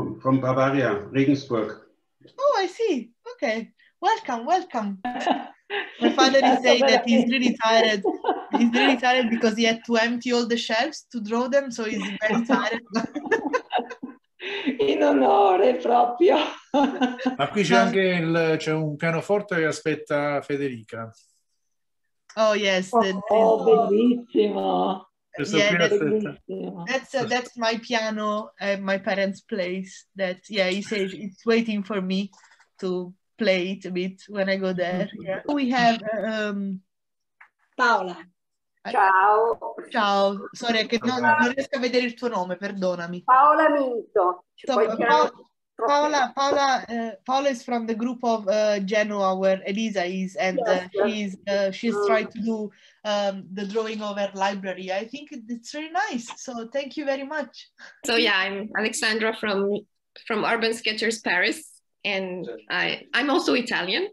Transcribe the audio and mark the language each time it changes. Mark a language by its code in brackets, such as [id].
[en] From Bavaria, Regensburg. Oh, I see. Okay. Welcome, welcome. My father is saying that he's really tired. He's really tired because he had to empty all the shelves to draw them, so he's very tired. [it] In onore proprio. Ma qui c'è anche c'è un pianoforte che aspetta Federica. [en] Oh yes. [it] Oh bellissimo. [en] That's my piano at my parents' place. That yeah, he says it's waiting for me to play it a bit when I go there. Yeah. We have Paola. [it] Ciao. Ciao. Sorry, che non, non riesco a vedere il tuo nome, perdonami. Paola Minto. [en] So, Paola Paola is from the group of Genoa where Elisa is, and she's trying to do the drawing of her library. I think it's really nice. So thank you very much. So yeah, I'm Alexandra from Urban Sketchers Paris, and I'm also Italian.